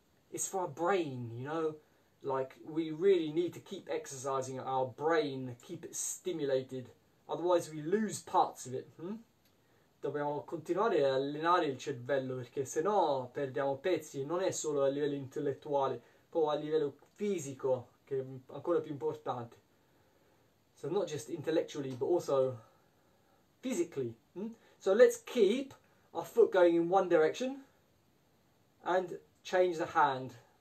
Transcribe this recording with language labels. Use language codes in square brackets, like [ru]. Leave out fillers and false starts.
[en] It's for our brain, you know? Like, we really need to keep exercising our brain, keep it stimulated. Otherwise we lose parts of it. [it] Dobbiamo continuare a allenare il cervello, perché sennò perdiamo pezzi. Non è solo a livello intellettuale, poi a livello fisico, che è ancora più importante. [en] So not just intellectually, but also physically. So let's keep our foot going in one direction and change the hand.